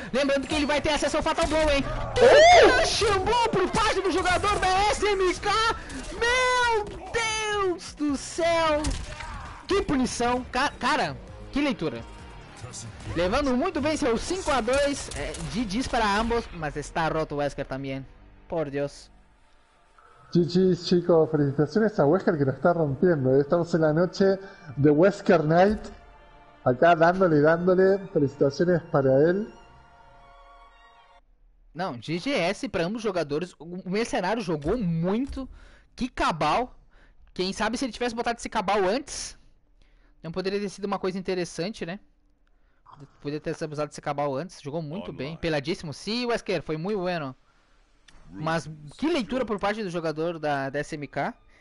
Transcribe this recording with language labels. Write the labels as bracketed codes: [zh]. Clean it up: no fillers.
[pt] Lembrando que ele vai ter acesso ao Fatal Blow, hein? Chambou por parte do jogador da SMK, meu Deus do céu, que punição, cara, que leitura. Levando muito bem seu 5-2, GG's para ambos, mas está roto o Wesker também, por Deus. [es] GG, chicos, felicitaciones a Wesker que lo está rompiendo. Estamos en la noche de Wesker Night. Acá dándole y dándole. Felicitaciones para él. No, GGS para ambos jugadores. [pt] O Mercenário jogou muito. Que cabal. Quem sabe se ele tivesse botado esse cabal antes, não poderia ter sido uma coisa interessante, né? Poderia ter abusado desse cabal antes. Jogou muito bem. Peladíssimo. Sim, sí, Wesker, foi muito bueno. Mas que leitura por parte do jogador da SMK.